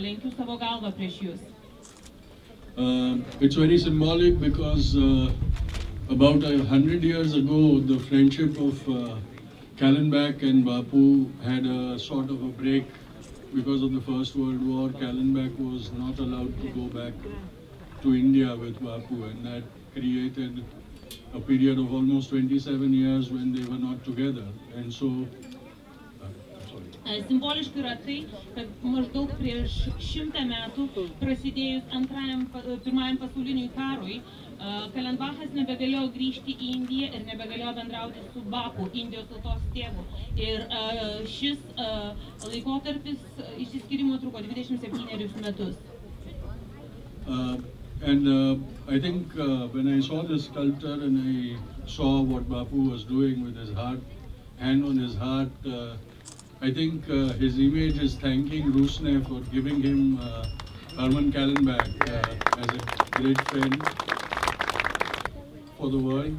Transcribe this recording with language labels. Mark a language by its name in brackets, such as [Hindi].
[Lithuanian] Lenkiu savo galvą prieš jūs. [English] It's very symbolic because about 100 years ago the friendship of Kallenbach and Bapu had a sort of a break because of the First World War. Kallenbach was not allowed to go back to India with Bapu, and that created a period of almost 27 years when they were not together. And so [Lithuanian] simboliškai yra tai, kad maždaug prieš 100 metų, prasidėjus pirmajam pasauliniui karui, Kallenbachas nebegalėjo grįžti į Indiją ir nebegalėjo bendrauti su Bapu, Indijos tautos tėvu. Ir šis laikotarpis išsiskyrimo truko 27 metus. [English] I think when I saw this sculpture and I saw what Bapu was doing with his heart, hand on his heart, I think his image is thanking Rusne for giving him Herman Kallenbach as a great friend for the world.